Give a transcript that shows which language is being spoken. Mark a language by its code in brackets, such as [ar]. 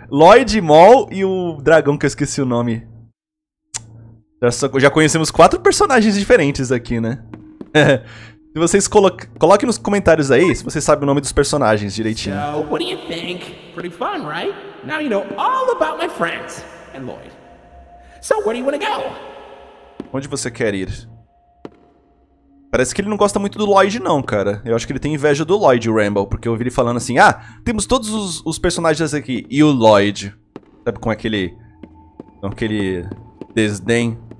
[pt] Lloyd, Mol e o dragão que eu esqueci o nome. Já conhecemos quatro personagens diferentes aqui, né? Se vocês coloquem nos comentários aí se vocês sabem o nome dos personagens direitinho. [en] So, what do you think? Pretty fun, right? Now you know all about my friends and Lloyd. So, where do you want to go? [pt] Onde você quer ir? Parece que ele não gosta muito do Lloyd, não, cara. Eu acho que ele tem inveja do Lloyd, o Ramble, porque eu ouvi ele falando assim: ah, temos todos os personagens aqui e o Lloyd. Sabe, com aquele. Com aquele. Desdém.